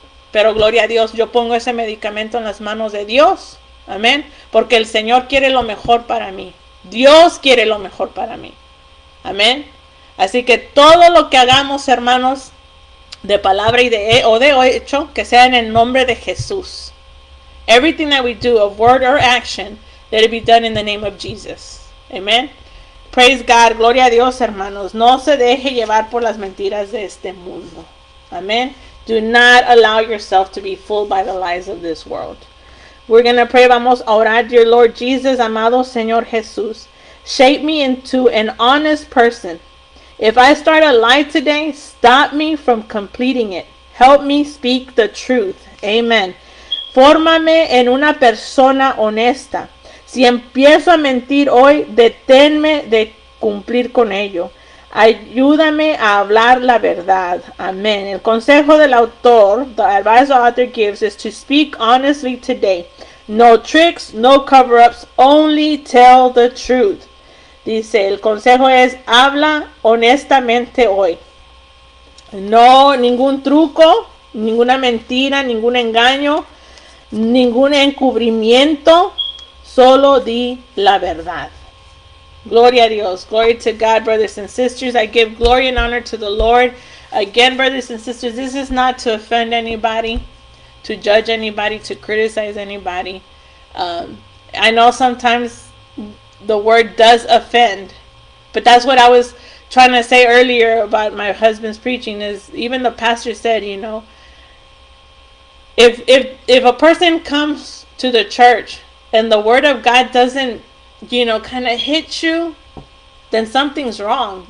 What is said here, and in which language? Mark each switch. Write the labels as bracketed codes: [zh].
[es] Pero gloria a Dios, yo pongo ese medicamento en las manos de Dios. Amén. Porque el Señor quiere lo mejor para mí. Dios quiere lo mejor para mí. Amén. Así que todo lo que hagamos, hermanos, de palabra y de hecho, que sea en el nombre de Jesús. [en] Everything that we do, of word or action, let it be done in the name of Jesus. [es] Amén. [en] Praise God. [es] Gloria a Dios, hermanos. No se deje llevar por las mentiras de este mundo. Amén. [en] Do not allow yourself to be fooled by the lies of this world. We're going to pray. [es] Vamos a orar. [en] Dear Lord Jesus, [es] amado Señor Jesús, [en] shape me into an honest person. If I start a lie today, stop me from completing it. Help me speak the truth. Amen. [es] Fórmame en una persona honesta. Si empiezo a mentir hoy, deténme de cumplir con ello. Ayúdame a hablar la verdad. Amén. El consejo del autor, [en] the advice the author gives, is to speak honestly today. No tricks, no cover-ups, only tell the truth. [es] Dice, el consejo es, habla honestamente hoy. No, ningún truco, ninguna mentira, ningún engaño, ningún encubrimiento. Solo di la verdad. Gloria a Dios. [en] Glory to God, brothers and sisters. I give glory and honor to the Lord. Again, brothers and sisters, this is not to offend anybody, to judge anybody, to criticize anybody. I know sometimes the word does offend, but that's what I was trying to say earlier about my husband's preaching, is even the pastor said, you know, if a person comes to the church and the word of God doesn't, you know, kind of hit you, then something's wrong.